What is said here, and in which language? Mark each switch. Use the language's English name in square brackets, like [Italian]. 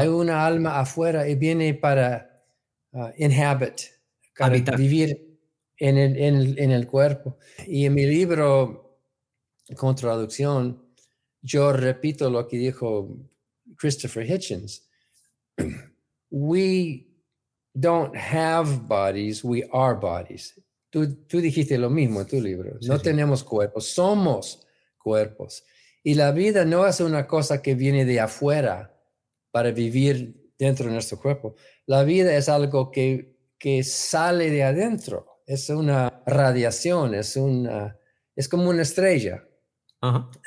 [Spanish] Hay una alma afuera y viene para inhabit, para habitar. Vivir en el cuerpo. Y en mi libro, Contradicción, yo repito lo que dijo Christopher Hitchens. [English] We don't have bodies, we are bodies. [Spanish] Tú dijiste lo mismo en tu libro. Sí, no tenemos cuerpos, somos cuerpos. Y la vida no es una cosa que viene de afuera para vivir dentro de nuestro cuerpo. La vida es algo que sale de adentro. Es una radiación, es como una estrella. Uh-huh.